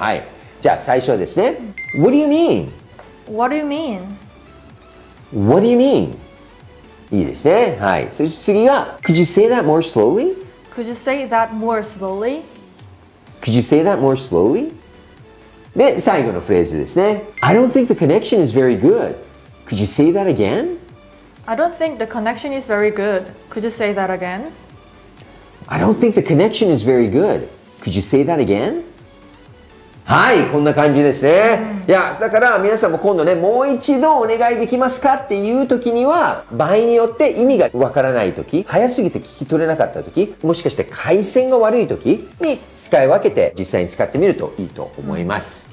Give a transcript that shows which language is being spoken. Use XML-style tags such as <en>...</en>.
<ja>はい。じゃあ最初はですね。</ja> <en>What do you mean? What do you mean? What do you mean?</en> <ja>いいですね。はい。そして次が、</ja> <en>Could you say that more slowly? Could you say that more slowly? Could you say that more slowly?</en> <ja>で、最後のフレーズですね。</ja> <en>I don't think the connection is very good. Could you say that again? I don't think the connection is very good. Could you say that again? I don't think the connection is very good. Could you say that again?</en> <ja>はい、こんな感じですね。いや、だから皆さんも今度ね、もう一度お願いできますかっていう時には、場合によって意味がわからない時、早すぎて聞き取れなかった時、もしかして回線が悪い時に使い分けて実際に使ってみるといいと思います。</ja>